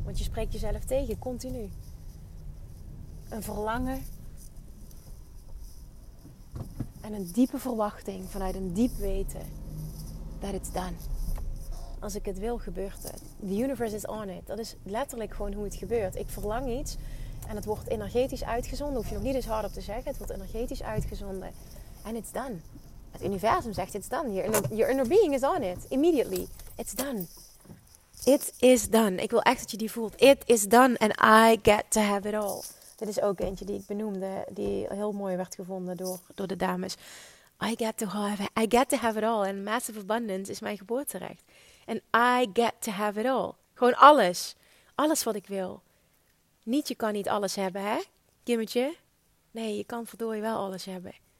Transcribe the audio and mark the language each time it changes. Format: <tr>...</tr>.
<nl>Want je spreekt jezelf tegen, continu. Een verlangen en een diepe verwachting vanuit een diep weten</nl> <en>that it's done.</en> <nl>Als ik het wil, gebeurt het.</nl> <en>The universe is on it.</en> <nl>Dat is letterlijk gewoon hoe het gebeurt. Ik verlang iets en het wordt energetisch uitgezonden. Hoef je nog niet eens hardop te zeggen, het wordt energetisch uitgezonden. En</nl> <en>it's done.</en> <nl>Het universum zegt</nl> <en>it's done. Your inner being is on it. Immediately. It's done. It is done.</en> <nl>Ik wil echt dat je die voelt.</nl> <en>It is done and I get to have it all.</en> <nl>Dit is ook eentje die ik benoemde. Die heel mooi werd gevonden door de dames.</nl> <en>I get to have it all. And massive abundance is</en> <nl>mijn geboorterecht.</nl> <en>And I get to have it all.</en> <nl>Gewoon alles. Alles wat ik wil. Niet je kan niet alles hebben, hè? Kimmetje. Nee, je kan verdorie wel alles hebben.</nl>